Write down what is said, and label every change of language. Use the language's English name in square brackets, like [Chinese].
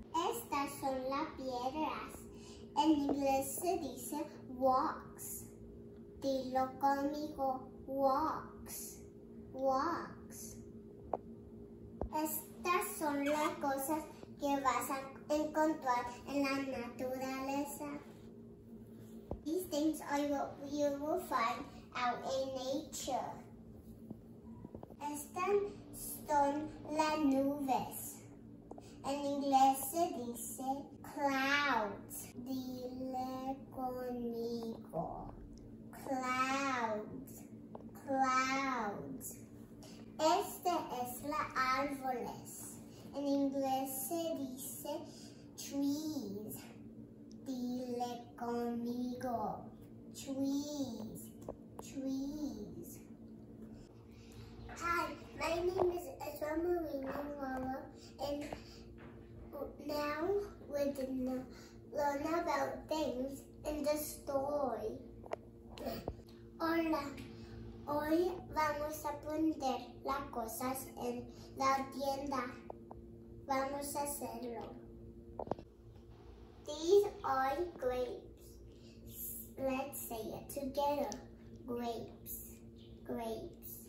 [Spanish] Estas son las piedras. En inglés se dice rocks. Dilo conmigo, rocks, rocks. Estas son las cosas que vas a encontrar en la naturaleza. [English] These things are what you will find out in nature. [Spanish] Estas son las nubes. En inglés se dice clouds. Dile conmigo. Clouds. Clouds. Este es la árboles. En inglés se dice trees. Dile conmigo. Trees. [English] Trees. Hi, my name is Ezra Marina Lola, and now we're gonna learn about things in the story. [Spanish] Hola, hoy vamos a aprender las cosas en la tienda. Vamos a hacerlo. [English] These are grapes. Let's say it together. Grapes. Grapes.